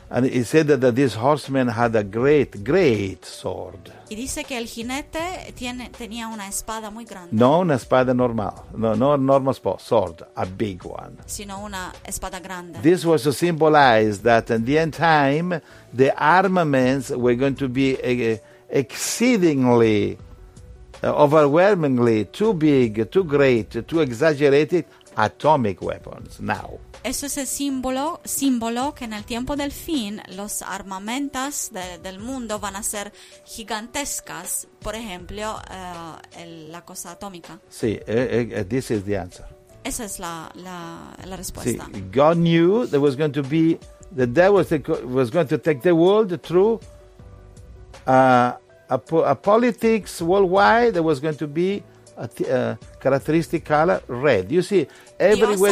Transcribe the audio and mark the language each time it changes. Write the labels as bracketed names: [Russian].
[English] And he said that these horsemen had a great, great sword. [Spanish] Y dice que el jinete tenía una espada muy grande. No una espada normal. [English] No normal sword. A big one. [Spanish] Sino una espada grande. [English] This was to symbolize that in the end time, the armaments were going to be exceedingly, overwhelmingly too big, too great, too exaggerated atomic weapons now. [Spanish] Eso es el símbolo que en el tiempo del fin los armamentos del mundo van a ser gigantescas, por ejemplo, la cosa atómica. [English] Sí, this is the answer. [Spanish] Esa es la respuesta. [English] Sí, God knew there was going to be the devil was going to take the world through a politics worldwide that was going to be a characteristic color red. You see, everywhere